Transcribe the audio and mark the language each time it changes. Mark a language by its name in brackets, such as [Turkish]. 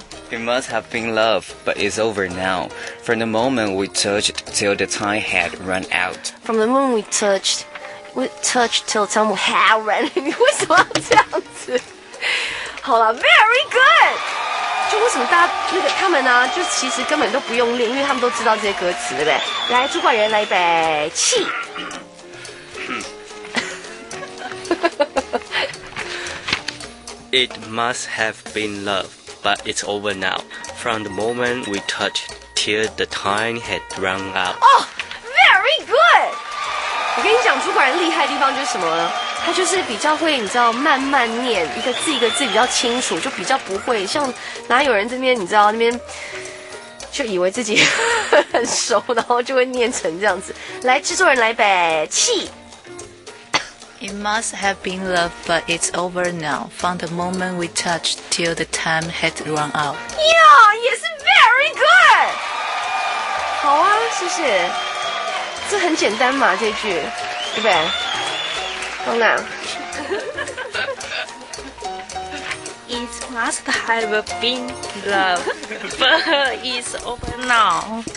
[English] It must have been love, but it's over now. From the moment we touched till the time had run out. From the moment we touched till the time had run out. [Chinese] 你为什么要这样子？好了 [English] ，very good. [Chinese] 就为什么大家那个他们呢、啊？就其实根本都不用练，因为他们都知道这些歌词，对不对？来，主管人来一杯气。 [English] It must have been love, but it's over now. From the moment we touched till the time had run out. Oh, very good. [Chinese] 我跟你讲，主管人厉害的地方就是什么？他就是比较会，你知道，慢慢念一个字一个字比较清楚，就比较不会像哪有人这边，你知道那边就以为自己很熟，然后就会念成这样子。来，制作人来呗，气。 [English] It must have been love, but it's over now. From the moment we touched till the time had run out. Yeah, yes, very good. [Chinese] 好啊，谢谢。这很简单嘛，这句，对不对？东南 [English] It must have been love, but it's over now.